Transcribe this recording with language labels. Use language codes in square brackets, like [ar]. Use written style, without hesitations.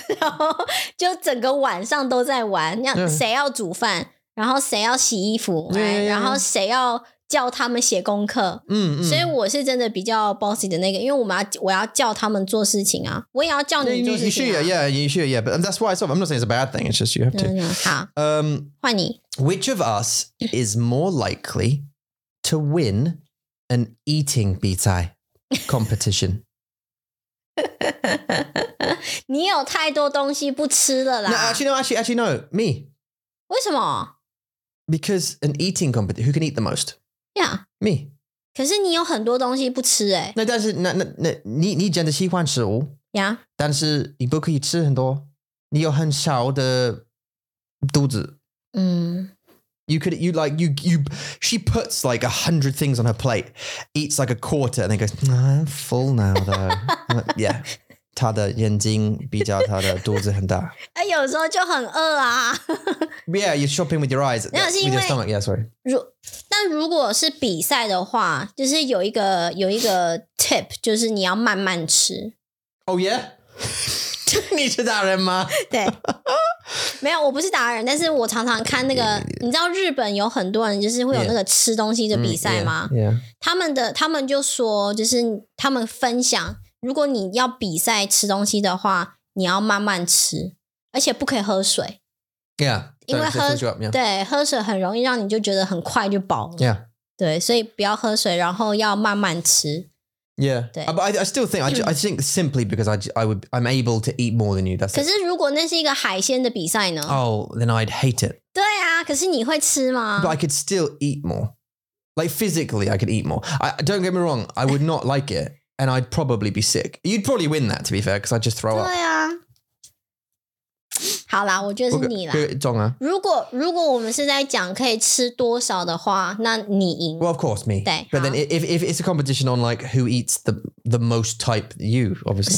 [zh] 然后就整个晚上都在玩。那谁要煮饭？然后谁要洗衣服？ [en] Yeah, yeah, yeah. [zh] 然后谁要叫他们写功课？嗯嗯。所以我是真的比较 bossy 的那个，因为我要叫他们做事情啊，我也要叫你做事情、啊。 [en] Yeah, you should, yeah, you should, yeah. But that's why I'm not saying it's a bad thing. It's just you have to. [zh] 嗯嗯好，换你。 [en] Which of us is more likely to win an eating 比赛 competition? [zh] 你有太多东西不吃了啦。 [en] No, actually, no, me. [zh] 为什么? [en] Because an eating competition, who can eat the most? Yeah. Me. [zh] 可是你有很多东西不吃欸。那但是那你真的喜欢食物。 [en] Yeah. [zh] 但是你不可以吃很多。你有很小的肚子。 Mm. [en] She puts like 100 things on her plate, eats like a quarter, and then goes, I'm full now, though. Like, yeah, [zh] 他的眼睛比较他的肚子很大。哎，有时候就很饿啊。 [en] Yeah, you're shopping with your eyes. [zh] 那是因为 [en] with your stomach. Yeah, sorry. [zh] 如果是比赛的话，就是有一个 tip， 就是你要慢慢吃。 [en] Oh yeah， [zh] 你是达人吗？对，没有，我不是达人，但是我常常看那个， [en] yeah. [zh] 你知道日本有很多人就是会有那个吃东西的比赛吗？ [en] Yeah. Yeah. [zh] 他们就说，就是他们分享。如果你要比赛吃东西的话，你要慢慢吃，而且不可以喝水。 [en] Yeah， [zh] 因为喝 [en] up,、yeah. [zh] 对喝水很容易让你就觉得很快就饱了。 [en] Yeah， [zh] 对，所以不要喝水，然后要慢慢吃。 [en] Yeah， [zh] 对。 [en] But I still think I think simply because I'm able to eat more than you. That's [zh] 可是如果那是一个海鲜的比赛呢 [en] ？Oh， then I'd hate it. [zh] 对啊，可是你会吃吗 [en] ？But I could still eat more. Like physically, I could eat more. Don't get me wrong, I would not like it. And I'd probably be sick. You'd probably win that, to be fair, because I'd just throw [zh] 对啊 [en] up. [zh] 对呀。好啦，我觉得是你啦。中啊。如果我们是在讲可以吃多少的话，那你赢。 [en] Well, of course, me. [zh] 对。 [en] But then if it's a competition on like who eats the most type, you, obviously.